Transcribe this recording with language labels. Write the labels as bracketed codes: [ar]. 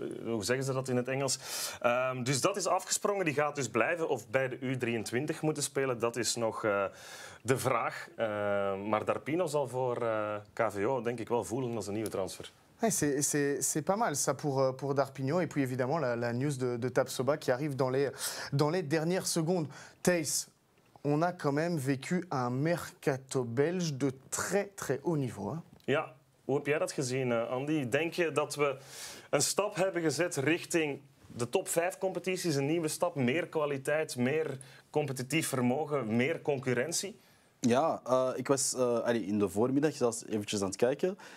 [nl] Hoe zeggen ze dat in het Engels? Dus dat is afgesprongen. Die gaat dus blijven of bij de U23 moeten spelen. Dat is nog de vraag. Maar Darpino zal voor KVO denk ik wel voelen als een nieuwe transfer. [fr] Ouais, c'est pas mal ça pour Darpino et puis évidemment la news de Tapsoba qui arrive dans les dernières secondes. Thaïs, on a quand même vécu un mercato belge de très très haut niveau. Hein. [nl] Ja, hoe heb jij dat gezien, Andy? Denk je dat we een stap hebben gezet richting de top 5 competities? Een nieuwe stap, meer kwaliteit, meer competitief vermogen, meer concurrentie? Ja, ik was in de voormiddag zelfs eventjes aan het kijken.